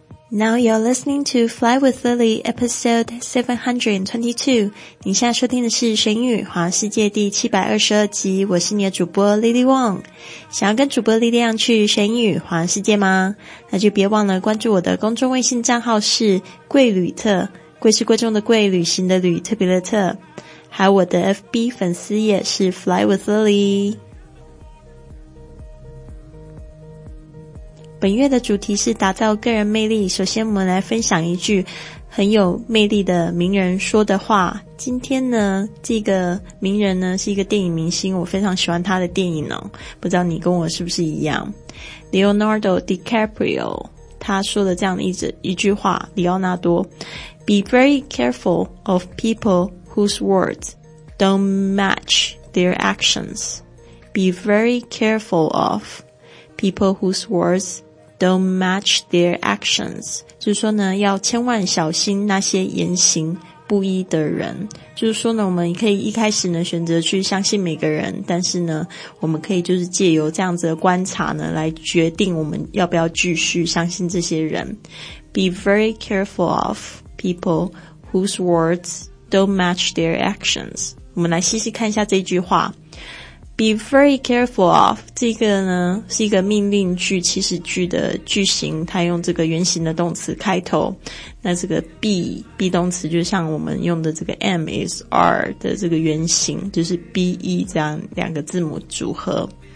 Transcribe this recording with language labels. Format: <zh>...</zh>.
<en>Now you're listening to Fly with Lily, episode 722.</en> <zh>您现在收听的是《学英语环游世界》第722集。我是你的主播 Lily Wong。想要跟主播力量去学英语环游世界吗？那就别忘了关注我的公众微信账号是贵旅特，贵是贵重的贵，旅行的旅，特别的特。还有我的 FB 粉丝也是 Fly with Lily。本月的主题是打造个人魅力，首先我们来分享一句很有魅力的名人说的话。今天呢，这个名人呢是一个电影明星，我非常喜欢他的电影哦，不知道你跟我是不是一样。</zh> <en>Leonardo DiCaprio</en> <zh>他说的这样的 一句话，里奥纳多，</zh> <en>Be very careful of people whose words don't match their actions. Be very careful ofPeople whose words don't match their actions.</en> <zh>就是说呢，要千万小心那些言行不一的人。就是说呢，我们可以一开始呢选择去相信每个人，但是呢我们可以就是借由这样子的观察呢来决定我们要不要继续相信这些人。</zh> <en>Be very careful of people whose words don't match their actions.</en> <zh>我们来细细看一下这句话。</zh> <en>Be very careful of,</en> <zh>这个呢是一个命令句，祈使句的句型，它用这个原型的动词开头。那这个 be 动词就像我们用的这个 am is are 的这个原型，就是 be 这样两个字母组合。</zh>